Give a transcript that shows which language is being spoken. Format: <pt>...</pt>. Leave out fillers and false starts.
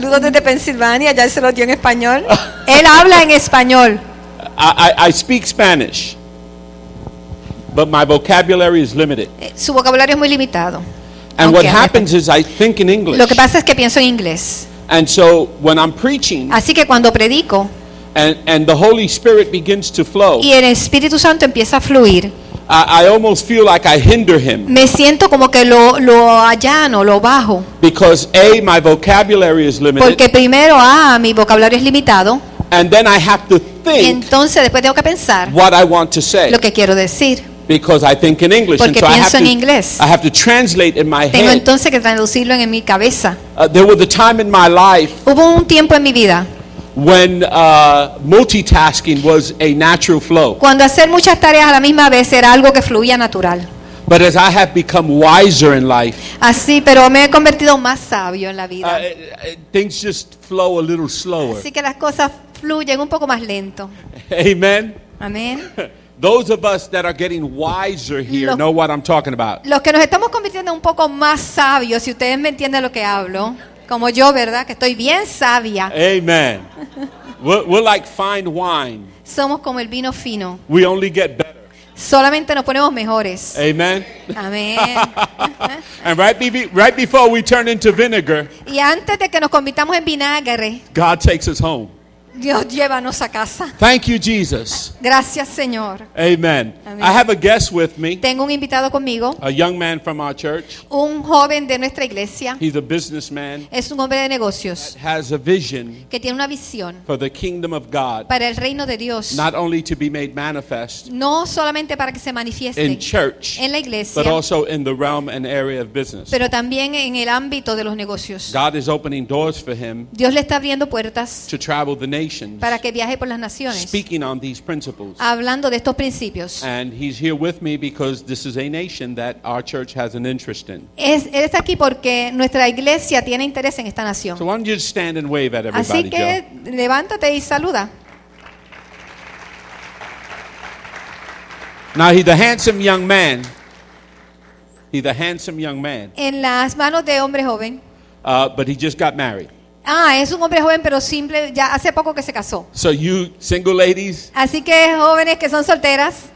<es>Saludos desde Pensilvania, ya se lo dio en español. Él habla en español.</es> <en>I speak Spanish, but my vocabulary is limited.</en> <es>Su vocabulario es muy limitado.</es> <en>And what happens is I think in English.</en> <es>Lo que pasa es que pienso en inglés.</es> <en>And so when I'm preaching.</en> <es>Así que cuando predico.</es> <en>And the Holy Spirit begins to flow.</en> <es>Y el Espíritu Santo empieza a fluir.</es> <en>I almost feel like I hinder him.</en> <es>Me siento como que lo allano, lo bajo.</es> <en>Because A, my vocabulary is limited.</en> <es>Porque primero mi vocabulario es limitado.</es> <en>And then I have to think.</en> <es>Entonces después tengo que pensar.</es> <en>What I want to say.</en> <es>Lo que quiero decir.</es> <en>Because I think in English.</en> <es>Porque</es> <en>and so</en> <es>pienso</es> <en>I have</en> <es>en</es> <en>to,</en> <es>inglés.</es> <en>I have to translate in my</en> <es>tengo</es> <en>head.</en> <es>Tengo entonces que traducirlo en mi cabeza.</es> <en>There was a time in my life.</en> <es>Hubo un tiempo en mi vida.</es> <en>When multitasking was a natural flow.</en> <es>Cuando hacer muchas tareas a la misma vez era algo que fluía natural.</es> <en>But as I have become wiser in life.</en> <es>Así, pero me he convertido más sabio en la vida.</es> <en>Things just flow a little slower.</en> <es>Así que las cosas fluyen un poco más lento.</es> <en>Amen.</en> <es>Amen.</es> <en>Those of us that are getting wiser here know what I'm talking about.</en> <es>Los que nos estamos convirtiendo un poco más sabios, si ustedes me entienden lo que hablo. Como yo, ¿verdad? Que estoy bien sabia.</es> <en>Amen. We're like fine wine.</en> <es>Somos como el vino fino.</es> <en>We only get better.</en> <es>Solamente nos ponemos mejores.</es> <en>Amen.</en> <es>Amen.</es> <en>And right before we turn into vinegar.</en> <es>Y antes de que nos convirtamos en vinagre.</es> <en>God takes us home.</en> <es>Dios llévanos a casa.</es> <en>Thank you, Jesus.</en> <es>Gracias, Señor.</es> <en>Amen. Amen. I have a guest with me.</en> <es>Tengo un invitado conmigo.</es> <en>A young man from our church.</en> <es>Un joven de nuestra iglesia.</es> <en>He's a businessman.</en> <es>Es un hombre de negocios.</es> <en>Has a vision.</en> <es>Que tiene una visión.</es> <en>For the kingdom of God.</en> <es>Para el reino de Dios.</es> <en>Not only to be made manifest.</en> <es>No solamente para que se manifieste.</es> <en>In church.</en> <es>En la iglesia.</es> <en>But also in the realm and area of business.</en> <es>Pero también en el ámbito de los negocios.</es> <en>God is opening doors for him.</en> <es>Dios le está abriendo puertas.</es> <en>To travel the nation.</en> <es>Para que viaje por las naciones.</es> <en>Speaking on these principles.</en> <es>Hablando de estos principios.</es> <en>And he's here with me because this is a nation that our church has an interest in.</en> <es>Él está aquí porque nuestra iglesia tiene interés en esta nación.</es> <en>So why don't you just stand and wave at everybody,</en> <es>Joe? Así que levántate y saluda.</es> <en>Now he's a handsome young man. He's a handsome young man.</en> <es>En las manos de hombre joven.</es> <en>But he just got married.</en> <es>Ah, es un hombre joven, pero simple, ya hace poco que se casó.</es> <en>So you single ladies,</en> <es>así que jóvenes que son solteras.</es>